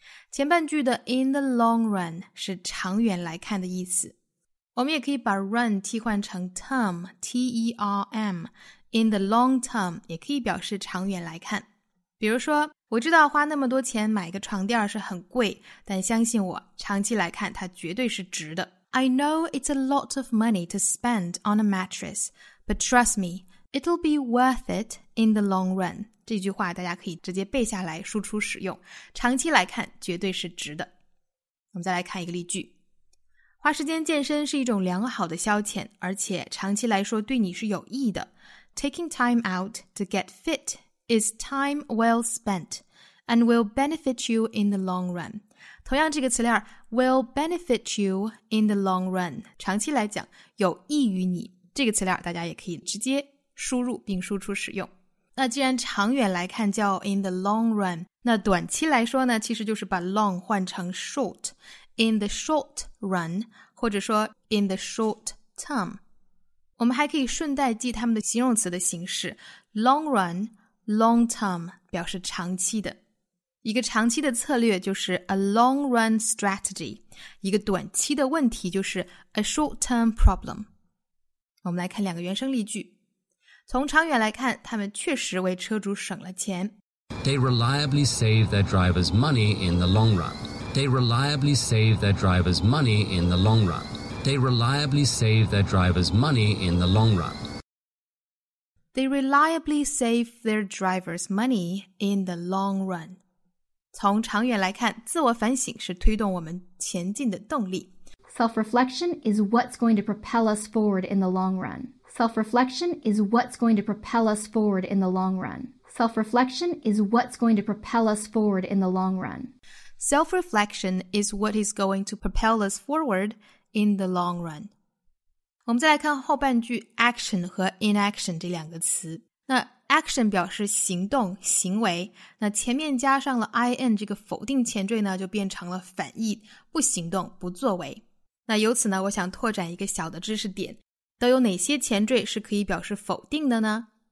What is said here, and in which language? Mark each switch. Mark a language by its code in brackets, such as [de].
[zh] 前半句的 [en] in the long run [zh] 是长远来看的意思。我们也可以把 run 替换成 term, T-E-R-M, [en] in the long term [zh] 也可以表示长远来看。比如说，我知道花那么多钱买个床垫是很贵，但相信我，长期来看它绝对是值的。 [en] I know it's a lot of money to spend on a mattress, but trust me, it'll be worth it in the long run. [zh] 这句话大家可以直接背下来输出使用，长期来看绝对是值的。我们再来看一个例句。花时间健身是一种良好的消遣，而且长期来说对你是有益的。 [en] Taking time out to get fit is time well spent and will benefit you in the long run. [zh] 同样这个词链 [en] will benefit you in the long run, [zh] 长期来讲有益于你。这个词链大家也可以直接输入并输出使用。那既然长远来看叫 [en] in the long run, [zh] 那短期来说呢，其实就是把 long 换成 short, [en] in the short run, [zh] 或者说 [en] in the short term. [zh] 我们还可以顺带记他们的形容词的形式 [en] long run, long term, [zh] 表示长期的。一个长期的策略就是 [en] a long run strategy, [zh] 一个短期的问题就是 [en] a short term problem. [zh] 我们来看两个原声例句。从长远来看他们确实为车主省了钱。 [en] They reliably save their drivers money in the long run. They reliably save their drivers money in the long run. They reliably save their drivers money in the long run. They reliably save their drivers money in the long run. [zh] 从长远来看，自我反省是推动我们前进的动力。 [en] Self-reflection is what's going to propel us forward in the long run. Self-reflection is what's going to propel us forward in the long run. Self-reflection is what's going to propel us forward in the long run. Self-reflection is what is going to propel us forward in the long run. [zh] 我们再来看后半句 action 和 inaction 这两个词。那 action 表示行动、行为，那前面加上了 in 这个否定前缀呢，就变成了反义，不行动、不作为。那由此呢，我想拓展一个小的知识点，都有哪些前缀是可以表示否定的呢？